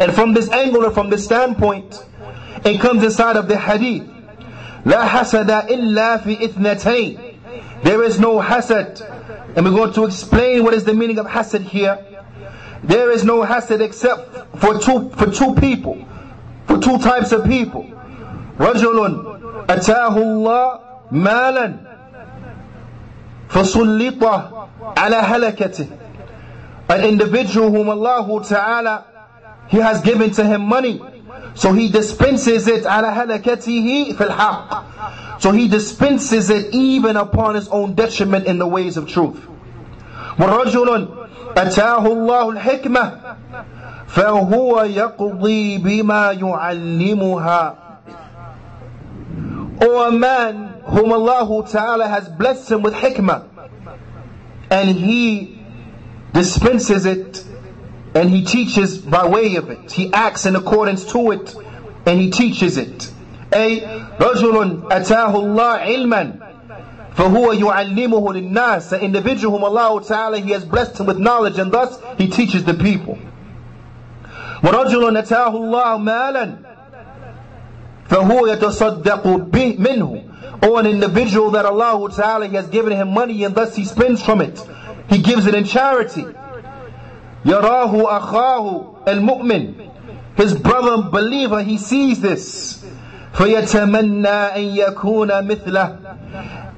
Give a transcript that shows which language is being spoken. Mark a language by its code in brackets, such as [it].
[en] And from this angle or from this standpoint, it comes inside of the hadith. [ar] لا حسد إلا في إثنتين. [en] There is no hasad. And we're going to explain what is the meaning of hasad here. There is no hasad except for two people. For two types of people. [ar] رجل أتاه الله مالا فسلط على هلكته. [en] An individual whom Allah Ta'ala, he has given to him money, so he dispenses it [ar] على هلكته في الحق. [en] So he dispenses it even upon his own detriment in the ways of truth. [ar] ورجل أتاه الله الحكمة فهو يقضي بما يعلمها. [en] Or a man whom Allah Ta'ala has blessed him with hikmah, and he dispenses it and he teaches by way of it. He acts in accordance to it, and he teaches it. [ar] A رجل أتاه الله علما فهو يعلمه للناس. [en] An individual whom Allah Ta'ala, he has blessed him with knowledge, and thus he teaches the people. [ar] ورجل أتاه الله مالا فهو يتصدق منه. [en] Or an individual that Allah Ta'ala, he has given him money, and thus he spends from it. He gives it in charity. [ar] يراه أخاه المؤمن. [en] His brother believer, he sees this. [ar] فيتمنى أن يكون مثله.